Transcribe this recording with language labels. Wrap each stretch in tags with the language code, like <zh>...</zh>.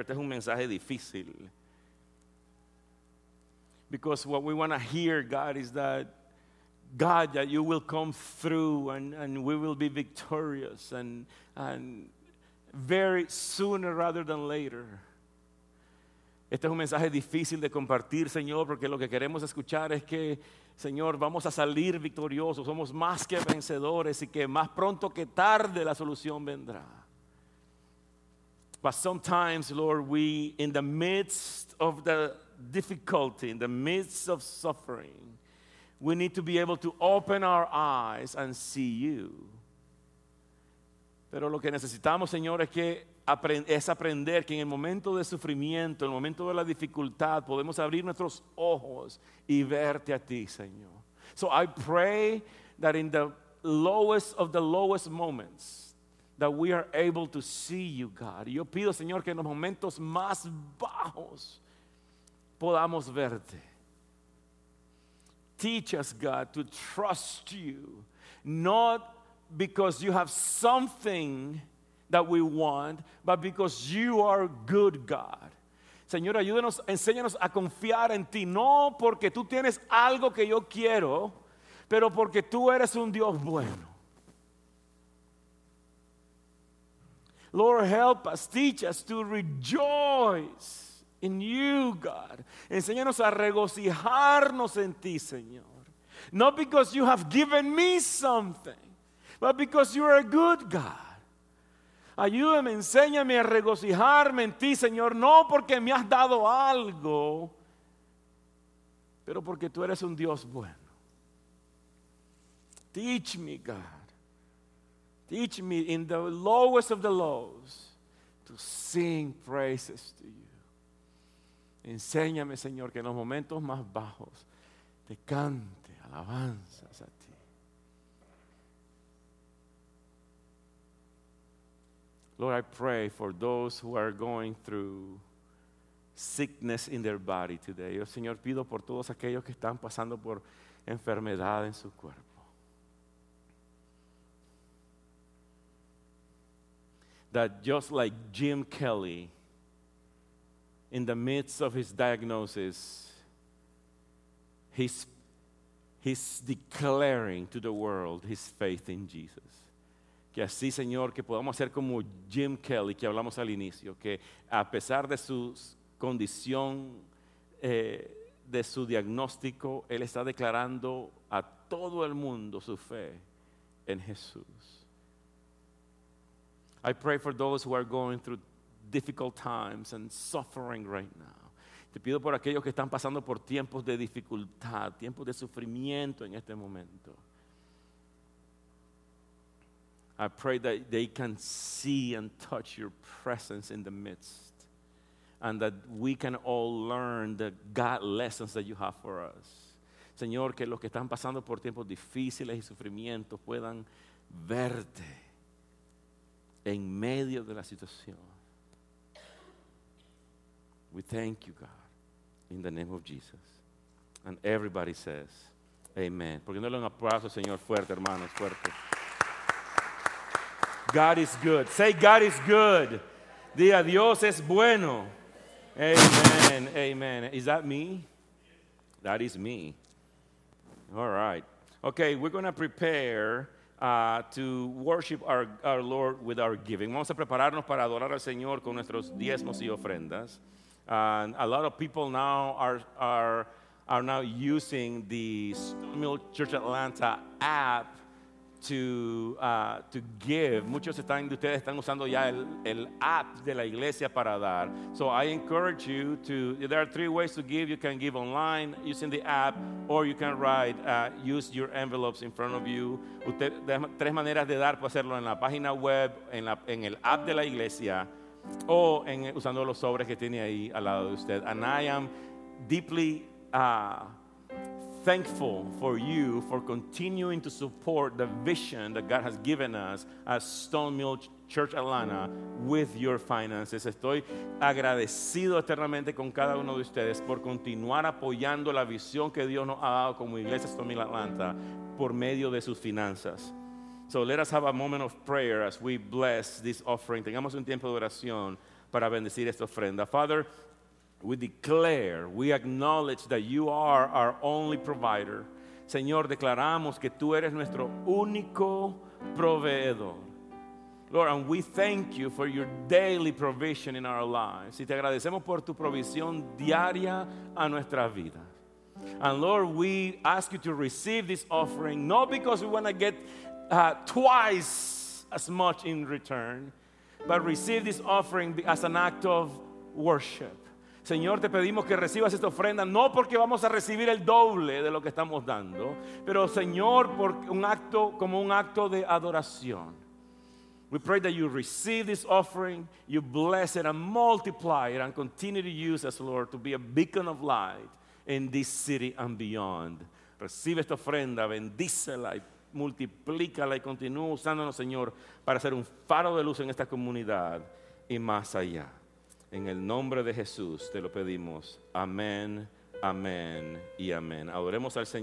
<es>Este es un mensaje difícil.</es> <en>Because what we want to hear, God, is that God, that you will come through and we will be victorious and very sooner rather than later.</en> <es>Este es un mensaje difícil de compartir, Señor, porque lo que queremos escuchar es que, Señor, vamos a salir victoriosos, somos más que vencedores y que más pronto que tarde la solución vendrá.</es> <en>But sometimes, Lord, we, in the midst of the difficulty, in the midst of suffering, we need to be able to open our eyes and see you.</en> <es>Pero lo que necesitamos, Señor, es que aprender que en el momento de sufrimiento, en el momento de la dificultad, podemos abrir nuestros ojos y verte a ti, Señor.</es> <en>So I pray that in the lowest of the lowest moments, that we are able to see you, God.</en> <es>Yo pido, Señor, que en los momentos más bajos podamos verte.</es> <en>Teach us, God, to trust you, not because you have something that we want, but because you are good, God.</en> <es>Señor, ayúdenos, enséñanos a confiar en ti, no porque tú tienes algo que yo quiero, pero porque tú eres un Dios bueno.</es> <en>Lord, help us, teach us to rejoice in you, God.</en> <es>Enséñanos a regocijarnos en ti, Señor.</es> <en>Not because you have given me something, but because you are a good God.</en> <es>Ayúdame, enséñame a regocijarme en ti, Señor. No porque me has dado algo, pero porque tú eres un Dios bueno.</es> <en>Teach me, God. Teach me in the lowest of the lows to sing praises to you.</en> <es>Enséñame, Señor, que en los momentos más bajos te cante alabanzas a ti.</es> <en>Lord, I pray for those who are going through sickness in their body today.</en> <es>Yo, Señor, pido por todos aquellos que están pasando por enfermedad en su cuerpo.</es> <en>That just like Jim Kelly, in the midst of his diagnosis, he's declaring to the world his faith in Jesus.</en> <es>Que así, Señor, que podamos ser como Jim Kelly, que hablamos al inicio, que a pesar de su condición, de su diagnóstico, él está declarando a todo el mundo su fe en Jesús.</es> <en>I pray for those who are going through difficult times and suffering right now.</en> <es>Te pido por aquellos que están pasando por tiempos de dificultad, tiempos de sufrimiento en este momento.</es> <en>I pray that they can see and touch your presence in the midst, and that we can all learn the God lessons that you have for us.</en> <es>Señor, que los que están pasando por tiempos difíciles y sufrimiento puedan verte en medio de la situación.</es> <en>We thank you, God, in the name of Jesus. And everybody says, amen.</en> <es>Porque no le un aplauso, Señor, fuerte, hermanos, fuerte.</es> <en>God is good. Say, God is good.</en> <es>Diga, Dios es bueno.</es> <en>Amen, amen. Is that me? That is me. All right. Okay, we're going to prepare to worship our Lord with our giving.</en> <es>Vamos a prepararnos para adorar al Señor con nuestros diezmos y ofrendas.</es> <en>And a lot of people now are now using the Stonemill Church Atlanta app to give.</en> <es>Muchos están de ustedes están usando ya el app de la iglesia para dar.</es> <en>So I encourage you to. There are three ways to give. You can give online using the app, or you can write use your envelopes in front of you.</en> <es>Usted, tres maneras de dar, puede hacerlo en la página web, en el app de la iglesia, o en usando los sobres que tiene ahí al lado de usted.</es> <en>And I am deeply thankful for you for continuing to support the vision that God has given us as Stonemill Church Atlanta with your finances.</en> <es>Estoy agradecido eternamente con cada uno de ustedes por continuar apoyando la visión que Dios nos ha dado como iglesia Stonemill Atlanta por medio de sus finanzas.</es> <en>So let us have a moment of prayer as we bless this offering.</en> <es>Tengamos un tiempo de oración para bendecir esta ofrenda.</es> <en>Father, we declare, we acknowledge that you are our only provider.</en> <es>Señor, declaramos que tú eres nuestro único proveedor.</es> <en>Lord, and we thank you for your daily provision in our lives.</en> <es>Y te agradecemos por tu provisión diaria a nuestra vida.</es> <en>And Lord, we ask you to receive this offering, not because we want to get twice as much in return, but receive this offering as an act of worship.</en> <es>Señor, te pedimos que recibas esta ofrenda, no porque vamos a recibir el doble de lo que estamos dando, pero Señor, por un acto, como un acto de adoración.</es> <en>We pray that you receive this offering, you bless it and multiply it and continue to use us, Lord, to be a beacon of light in this city and beyond.</en> <es>Recibe esta ofrenda, bendícela y multiplícala y continúa usándonos, Señor, para ser un faro de luz en esta comunidad y más allá. En el nombre de Jesús te lo pedimos. Amén, amén y amén. Adoremos al Señor.</es>